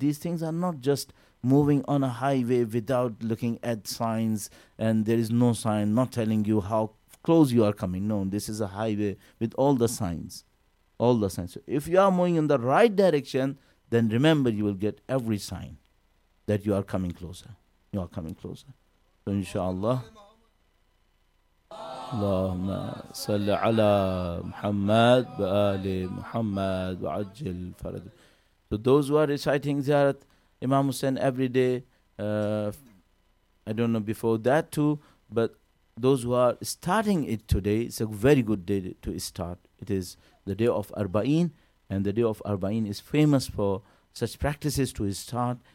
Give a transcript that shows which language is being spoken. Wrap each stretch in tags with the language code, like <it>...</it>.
<en>These things are not just moving on a highway without looking at signs, and there is no sign not telling you how close you are coming. No, this is a highway with all the signs. all the signs. So if you are moving in the right direction, then remember you will get every sign that you are coming closer. You are coming closer. So inshallah.</en> <ar>اللهم صل على محمد وآل محمد وعجل فرج.</ar> <en>So those who are reciting Ziyarat Imam Hussain every day, I don't know before that too, but those who are starting it today, it's a very good day to start. It is the day of Arba'een, and the day of Arba'een is famous for such practices to start.</en>